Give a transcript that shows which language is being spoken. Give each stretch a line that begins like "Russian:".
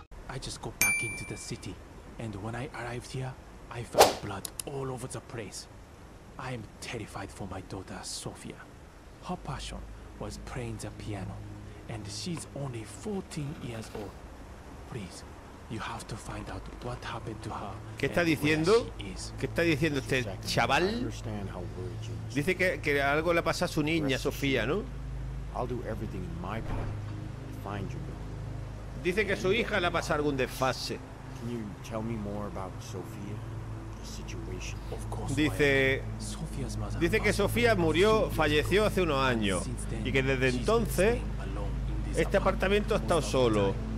English: I just go back into the city, and when I arrived here, I found blood all over the place. I am terrified for my daughter, Sofia. Her passion was playing the piano, and she's only 14 years old. Please. You have to find out what happened to her.
Spanish: ¿Qué está diciendo? ¿Qué está diciendo este chaval? Dice que algo le pasa a su niña, Sofía, ¿no?
English: I'll do everything in my power to find you.
Spanish: Dice que su hija le pasa algún desfase.
English: Can you tell me more about Sofia? The situation. Of course.
Spanish: Dice que Sofía murió, falleció hace unos años y que desde entonces este apartamento ha estado solo.